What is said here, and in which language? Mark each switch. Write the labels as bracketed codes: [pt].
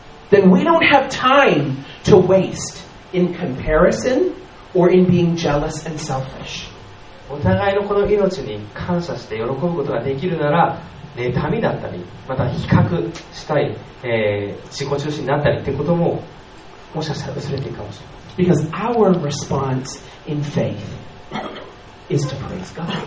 [en] Then we don't have time to waste in comparison or in being jealous and selfish. [ja] お互いのこの命に感謝して喜ぶことができるなら、妬みだったり、また比較したい、自己中心になったりってことも、もしかしたら忘れていくかもしれない。 [en] Because our response in faith is to praise God.